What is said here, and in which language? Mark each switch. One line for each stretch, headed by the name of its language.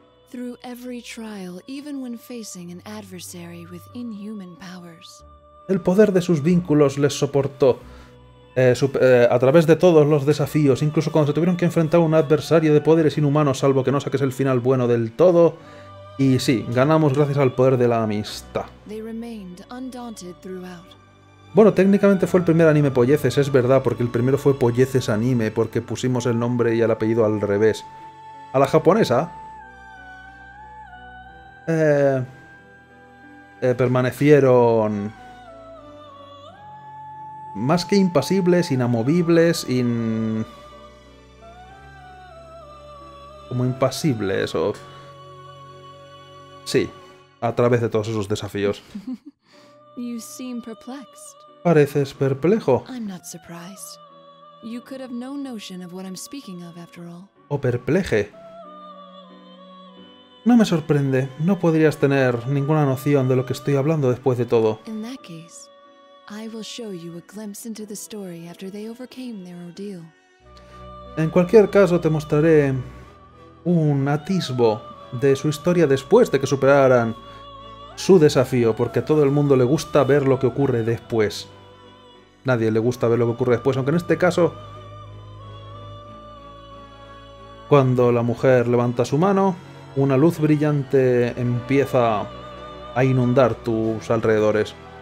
English: Through every trial, even when facing an adversary with inhuman powers.
Spanish: El poder de sus vínculos les soportó a través de todos los desafíos, incluso cuando se tuvieron que enfrentar a un adversario de poderes inhumanos, salvo que no saques el final bueno del todo. Y sí, ganamos gracias al poder de la amistad.
English: They remained undaunted throughout.
Spanish: Bueno, técnicamente fue el primer anime Polleces, es verdad, porque el primero fue Polleces Anime, porque pusimos el nombre y el apellido al revés. A la japonesa. Permanecieron más que impasibles, inamovibles, como impasibles, o sí, a través de todos esos desafíos.
English: You seem perplexed.
Spanish: Pareces perplejo.
English: I'm not surprised. You could have no notion of what I'm speaking of, after all.
Spanish: O perpleje. No me sorprende. No podrías tener ninguna noción de lo que estoy hablando después de todo.
English: In that case, I will show you a glimpse into the story after they overcame their ordeal.
Spanish: En cualquier caso, te mostraré un atisbo de su historia después de que superaran su desafío, porque a todo el mundo le gusta ver lo que ocurre después. Nadie le gusta ver lo que ocurre después, aunque en este caso, cuando la mujer levanta su mano, una luz brillante empieza a inundar tus alrededores.